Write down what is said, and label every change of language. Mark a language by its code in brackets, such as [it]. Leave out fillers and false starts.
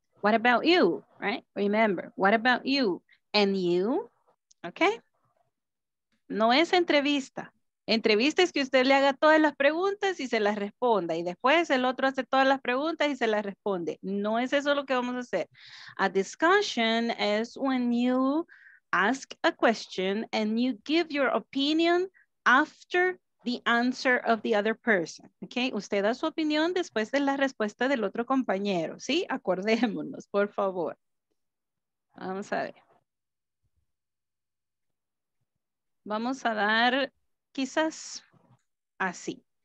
[en] What about you, right? Remember, what about you and you, okay? [es] No es entrevista. Entrevista es que usted le haga todas las preguntas y se las responda. Y después el otro hace todas las preguntas y se las responde. No es eso lo que vamos a hacer. [en] A discussion is when you ask a question and you give your opinion after the answer of the other person, okay? [es] Usted da su opinión después de la respuesta del otro compañero, ¿sí? Acordémonos, por favor. Vamos a ver. Vamos a dar quizás así.